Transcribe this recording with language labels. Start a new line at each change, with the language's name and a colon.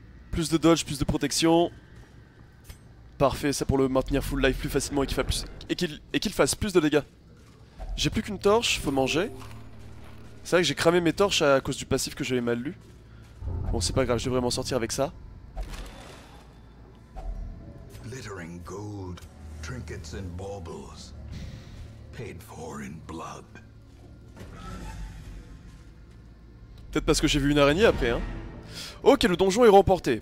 French: Plus de dodge, plus de protection. Parfait, ça pour le maintenir full life plus facilement et qu'il fasse plus de dégâts. J'ai plus qu'une torche, faut manger. C'est vrai que j'ai cramé mes torches à cause du passif que j'avais mal lu. Bon, c'est pas grave, je devrais m'en sortir avec ça.
English: Glittering gold, trinkets and baubles, paid for in blood.
French: Peut-être parce que j'ai vu une araignée après, hein. Ok, le donjon est remporté.